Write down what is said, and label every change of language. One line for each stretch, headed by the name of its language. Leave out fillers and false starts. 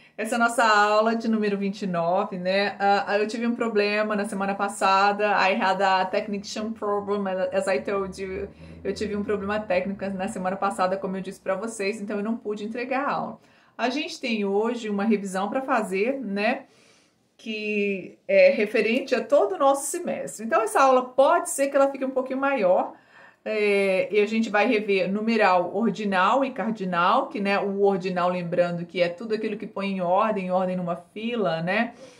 Portuguese: Essa é a nossa aula de número 29, né? Eu tive um problema na semana passada.
English: I had a technician problem, as I told you.
Portuguese: Eu tive um problema técnico na semana passada, como eu disse para vocês, então eu não pude entregar a aula. A gente tem hoje uma revisão para fazer, né? Que é referente a todo o nosso semestre. Então, essa aula pode ser que ela fique um pouquinho maior. E a gente vai rever numeral ordinal e cardinal, que né, o ordinal, lembrando que é tudo aquilo que põe em ordem numa fila, né?